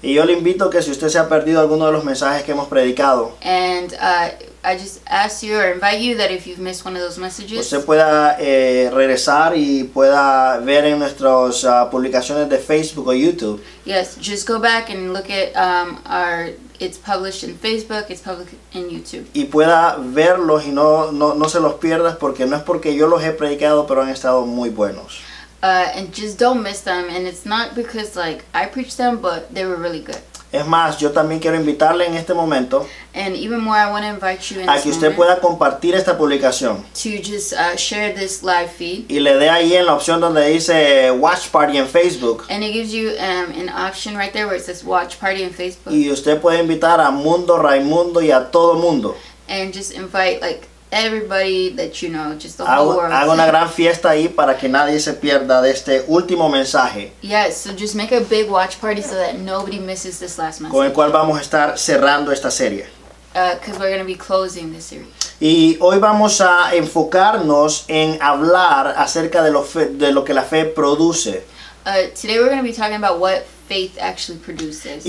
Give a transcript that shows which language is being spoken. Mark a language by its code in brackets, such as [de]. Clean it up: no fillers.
[es] Y yo le invito que si usted se ha perdido alguno de los mensajes que hemos predicado. [en] And I just ask you or invite you that if you've missed one of those messages, [es] usted pueda regresar y pueda ver en nuestras publicaciones de Facebook o YouTube. [en] Yes, just go back and look at our. It's published in Facebook. It's public in YouTube. [es] Y pueda verlos y no se los pierdas porque no es porque yo los he predicado, pero han estado muy buenos. [en] And just don't miss them. And it's not because like I preached them, but they were really good. [es] Es más, yo también quiero invitarle en este momento a que usted pueda compartir esta publicación. [en] To just share this live feed. [es] Y le dé ahí en la opción donde dice Watch Party en Facebook. [en] And it gives you an option right there where it says Watch Party en Facebook. [es] Y usted puede invitar a Mundo, Raimundo y a todo mundo. [en] And just invite like everybody that you know, just the whole world. [es] Hago una gran fiesta ahí para que nadie se pierda de este último mensaje. [en] Yes, so just make a big watch party so that nobody misses this last message. [es] Con el cual vamos a estar cerrando esta serie. [en] Because we're going to be closing this series. [es] Y hoy vamos a enfocarnos en hablar acerca de lo que la fe produce. [en] Today we're going to be talking about what faith actually produces.